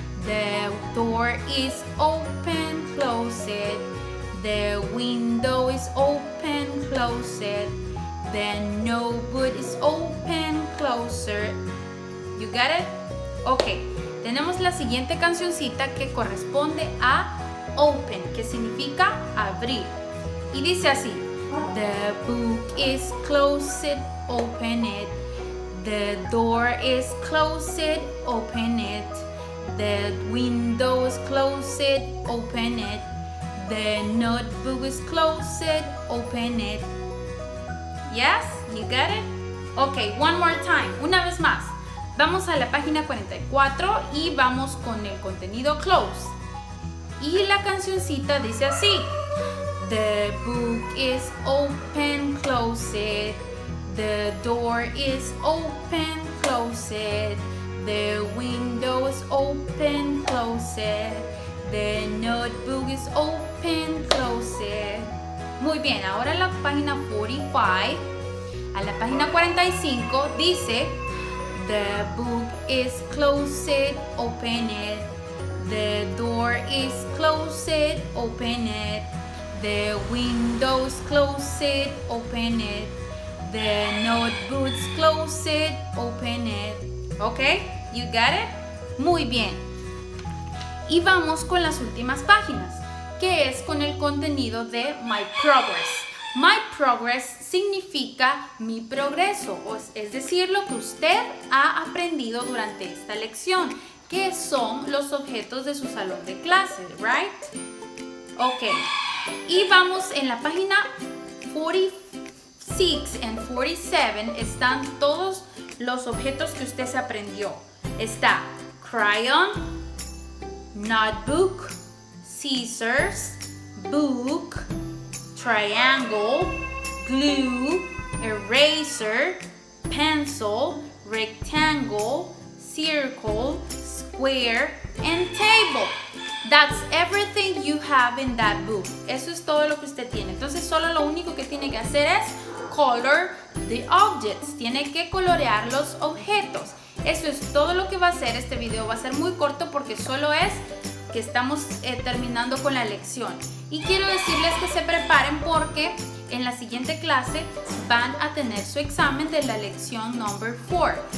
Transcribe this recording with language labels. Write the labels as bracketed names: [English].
[English] The door is open, close it. The window is open, close it. The notebook is open, closer. You got it? Okay. [Spanish] Tenemos la siguiente cancioncita que corresponde a open, que significa abrir. Y dice así: [English] The book is close it, open it. The door is close it, open it. The window is close it, open it. The notebook is close it, open it. Yes, you got it? Okay, one more time, [Spanish] una vez más. Vamos a la página 44 y vamos con el contenido close. Y la cancioncita dice así: [English] The book is open, close it. The door is open, close it. The window is open, close it. The notebook is open, close it. [Spanish] Muy bien, ahora la página 45. A la página 45 dice: [English] The book is closed, open it. The door is closed, open it. The window is closed, open it. The notebook is closed, open it. Okay? You got it? [Spanish] Muy bien. Y vamos con las últimas páginas, que es con el contenido de My Progress. My Progress significa mi progreso, es decir, lo que usted ha aprendido durante esta lección, que son los objetos de su salón de clase, [English] right? Ok. [Spanish] Y vamos en la página 46 and 47 están todos los objetos que usted se aprendió. Está [English] crayon, notebook, scissors, book, triangle, glue, eraser, pencil, rectangle, circle, square, and table. That's everything you have in that book. [Spanish] Eso es todo lo que usted tiene. Entonces, solo lo único que tiene que hacer es [English] color the objects. [Spanish] Tiene que colorear los objetos. Eso es todo lo que va a hacer. Este video va a ser muy corto porque solo es que estamos terminando con la lección. Y quiero decirles que se preparen porque en la siguiente clase van a tener su examen de la lección [English] number 4.